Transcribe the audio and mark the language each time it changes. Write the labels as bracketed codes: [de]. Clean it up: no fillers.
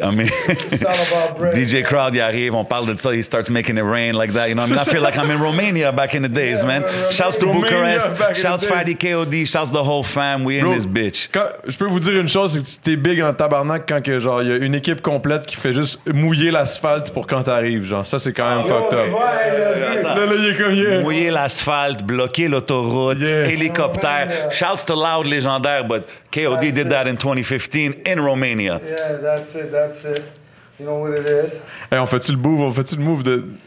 [en] I mean, DJ Crowd, [fr] il arrive, on parle de ça, [en] he starts making it rain like that. You know what I mean? I feel like I'm in Romania back in the days, yeah, man. Shouts to Romania, Bucharest. Shouts Fatty KOD. Shouts the whole fam. We in this bitch. [fr] Je peux vous dire une chose, c'est que tu es big en tabarnak quand il y a une équipe équipe complète qui fait juste mouiller l'asphalte pour quand t'arrives, genre. Ça, c'est quand même fucked up. Là, il est comme, yeah. Mouiller l'asphalte, bloquer l'autoroute, yeah. Hélicoptère. [en] Oh, shouts to Loud, légendaire, but KOD did it. That in 2015 in Romania. Yeah, that's it. You know what it is. [fr] Hey, on fait-tu le move? On fait-tu le move de...